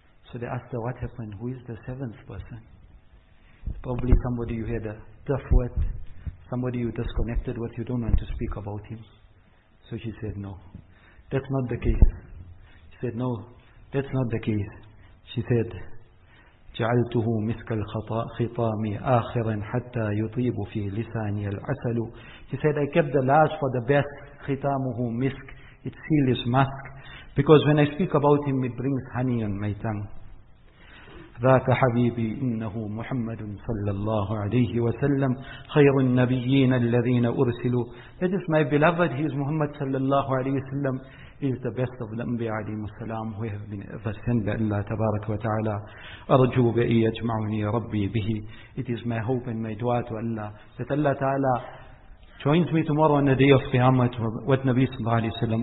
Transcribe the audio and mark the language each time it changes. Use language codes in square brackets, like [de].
[en] So they asked her, what happened? Who is the seventh person? Probably somebody you had a tough with, somebody you disconnected with, you don't want to speak about him. So she said, no, that's not the case. said, no, that's not the case. She said, [ar] جعلته مسك الخطامي آخرا حتى يطيب في لساني العسل. [en] She said, I kept the last for the best. [ar] خطامه مسك. [en] It sealed his mask. Because when I speak about him, it brings honey on my tongue. [ar] ذاك حبيبي إنه محمد صلى الله عليه وسلم خير النبيين الذين أرسلوا. [en] That is my beloved, he is Muhammad صلى الله عليه وسلم. Is the best of the Anbiya alayhi salam who have been ever sent by Allah tabarak wa ta'ala. [ar] Arju bi'i yajma'uni rabbi bihi. [en] It is my hope and my dua to Allah that Allah ta'ala joins me tomorrow on the day of Qiyamah with Nabi sallallahu alayhi wa sallam.